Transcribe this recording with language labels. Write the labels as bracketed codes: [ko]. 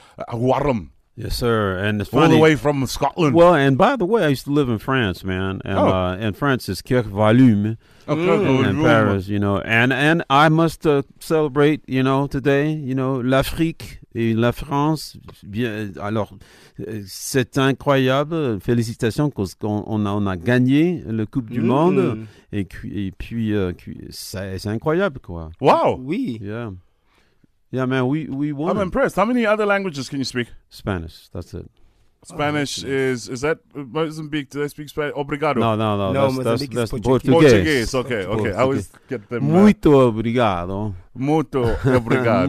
[en] Whalum. Yes, sir. And it's all funny, the way from Scotland. Well, and by the way, I used to live in France, man. And in France is Kirk Whalum. Okay. In Paris, you know. And I must celebrate, you know, today, you know, [fr] l'Afrique et la France. Bien, alors, c'est incroyable. Félicitations, parce qu'on a gagné la Coupe du Monde. Et puis, c'est incroyable, quoi. Wow. Oui. [en] Yeah. Yeah, man, we won. I'm impressed. How many other languages can you speak? Spanish, that's it. Spanish is that Mozambique? Do they speak Spanish? Obrigado. No, no, no. No, that's Portuguese, okay, that's okay. Portuguese. I always get them. [pt] Muito obrigado. Muito obrigado.